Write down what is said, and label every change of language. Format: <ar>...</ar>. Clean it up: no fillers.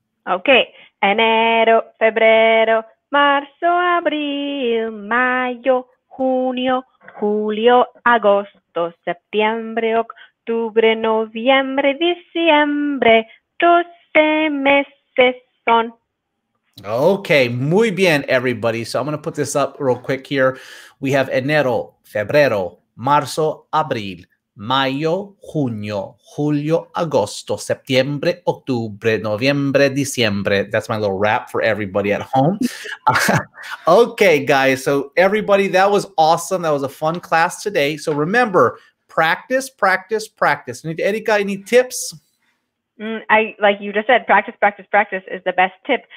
<es>Okay. Enero, Febrero, Marzo, Abril, Mayo, Junio, Julio, Agosto, Septiembre, Octubre, Noviembre, Diciembre, 12 meses son. Okay, muy bien,</es> <en>everybody. So I'm going to put this up real quick here. We have</en> <es>Enero, Febrero, Marzo, Abril, Mayo, Junio, Julio, Agosto, Septiembre, Octubre, Noviembre, Diciembre.</es> <en>That's my little rap for everybody at home. Okay, guys. So everybody, that was awesome. That was a fun class today. So remember, practice, practice, practice. Erika, any tips? Like you just said, practice, practice, practice is the best tip.</en>